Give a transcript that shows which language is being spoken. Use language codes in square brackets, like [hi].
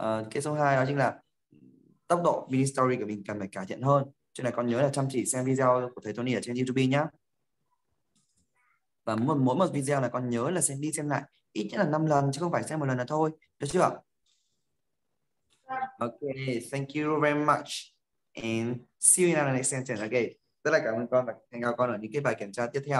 [vi] Cái số 2 đó chính là tốc độ mini story của mình cần phải cải thiện hơn, cho nên con nhớ là chăm chỉ xem video của thầy Tony ở trên YouTube nhá. Và mỗi một video là con nhớ là xem đi xem lại ít nhất là 5 lần chứ không phải xem một lần là thôi, được chưa? [en] Ok, thank you very much and see you in the next session. [vi] Ok, rất là cảm ơn con và hẹn gặp con ở những cái bài kiểm tra tiếp theo.